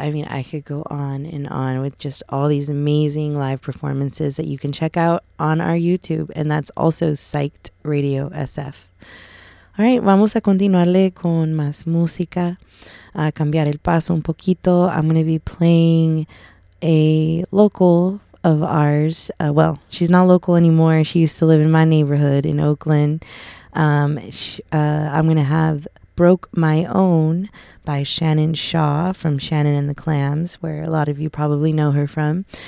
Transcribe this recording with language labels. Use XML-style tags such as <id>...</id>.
<en>I mean, I could go on and on with just all these amazing live performances that you can check out on our YouTube. And that's also Psyched Radio SF. All right,</en> <es>vamos a continuarle con más música, a cambiar el paso un poquito.</es> <en>I'm going to be playing a local of ours. Well, she's not local anymore. She used to live in my neighborhood in Oakland. I'm going to have Broke My Own by Shannon Shaw from Shannon and the Clams, where a lot of you probably know her from.</en>